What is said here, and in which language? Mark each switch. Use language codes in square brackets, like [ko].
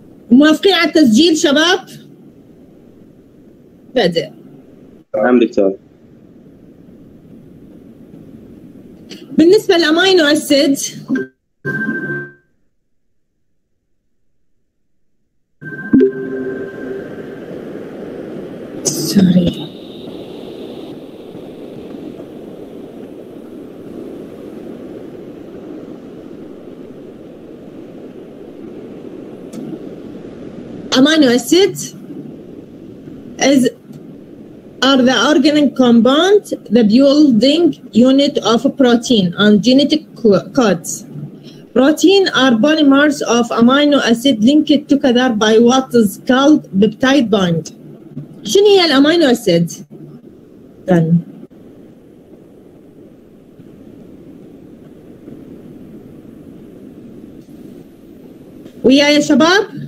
[ar] موافقين على التسجيل شباب؟ بدأ. تمام دكتور. بالنسبة للأمينو أسيد أمينو أسيد [en] is are the organic compound the building unit of a protein on genetic codes. Protein are polymers of amino acid linked together by what is called peptide bond. [ar] شنو هي الأمينو أسيد؟ ويا يا شباب؟